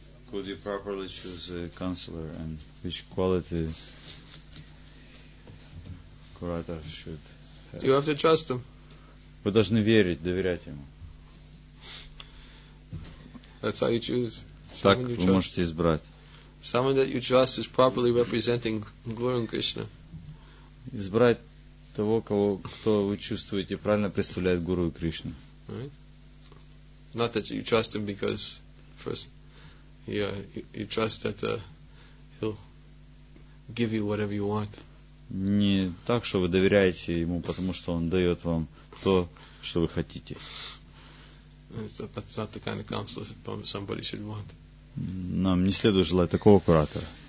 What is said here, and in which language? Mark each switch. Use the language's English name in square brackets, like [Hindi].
[English] Could you properly choose a counselor and which quality curator should have? You have to trust him. [Russian] Вы должны верить, доверять ему. [English] That's how you choose. [Russian] Так вы можете избрать. [English] Someone that you trust is properly representing Guru and Krishna. [Russian] Избрать того, кто вы чувствуете правильно представляет Гуру и Кришну. [English] Right? Not that you trust him because first. Yeah, you trust that he'll give you whatever you want. [Russian] Не так, что вы доверяете ему, потому что он дает вам то, что вы хотите. [English] That's not the kind of counselor somebody should want. [Russian] Нам не следует желать такого куратора.